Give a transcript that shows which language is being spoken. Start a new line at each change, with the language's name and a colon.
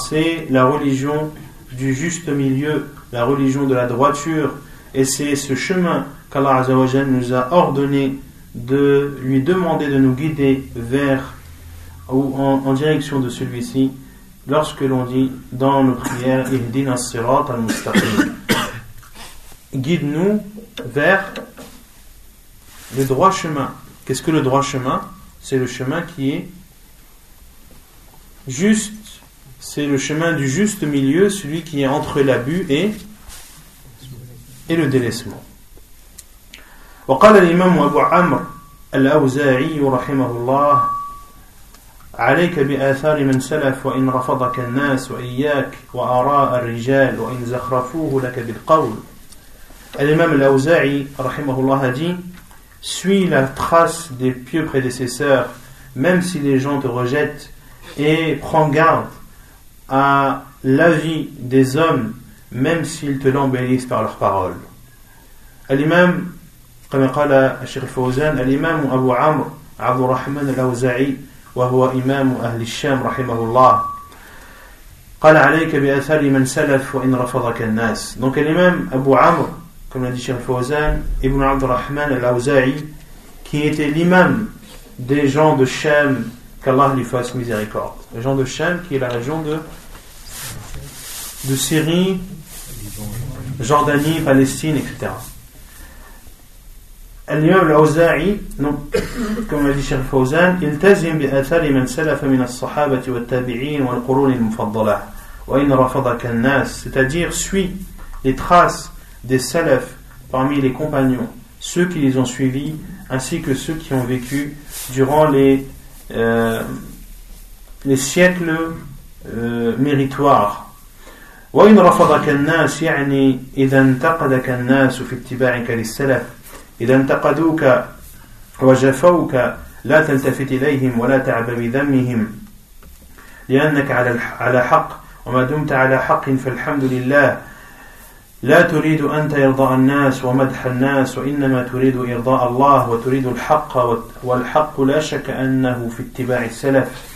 French: C'est la religion du juste milieu, la religion de la droiture, et c'est ce chemin qu'Allah Azzawajal nous a ordonné de lui demander de nous guider vers ou en direction de celui-ci lorsque l'on dit dans nos prières
Arabic: Ihdina as-sirata al-mustaqim,
French: guide-nous vers le droit chemin. Qu'est-ce que le droit chemin? C'est le chemin qui est juste, c'est le chemin du juste milieu, celui qui est entre l'abus et le délaissement.
Arabic: وقال الإمام أبو عمرو الأوزاعي رحمه الله عليك بآثار من سلف وإن رفضك الناس وإياك وآراء الرجال وإن زخرفوه لك بالقول.
French: الإمام الأوزاعي رحمه الله dit suis la trace des pieux prédécesseurs même si les gens te rejettent et prends garde à l'avis des hommes même s'ils te l'embellissent par leurs paroles.
Arabic: الإمام كما قال الشيخ الفوزان الإمام أبو عمرو عبد الرحمن الأوزاعي وهو إمام أهل الشام رحمه الله قال عليك بأثار من سلف وإن رفضك الناس.
French: Donc
Arabic: الإمام أبو عمرو كما قال الشيخ الفوزان ابن عبد الرحمن الأوزاعي
French: qui était l'imam des gens de Sham, qu'Allah lui fasse miséricorde. Les gens de Sham qui est la région de Syrie, Jordanie, Palestine, etc.
Arabic: الإمام الأوزاعي كما قال الشيخ الفوزان التزم بأثار من سلف من الصحابة والتابعين والقرون المفضلة وإن رفضك الناس.
French: C'est-à-dire suis les traces des salaf parmi les compagnons, ceux qui les ont suivis ainsi que ceux qui ont vécu durant les siècles méritoires.
Arabic: وإن رفضك الناس يعني إذا انتقدك الناس في اتباعك للسلف إذا انتقدوك وجفوك لا تلتفت إليهم ولا تعب بذمهم لأنك على حق وما دمت على حق فالحمد لله لا تريد أنت إرضاء الناس ومدح الناس وإنما تريد إرضاء الله وتريد الحق والحق لا شك أنه في اتباع السلف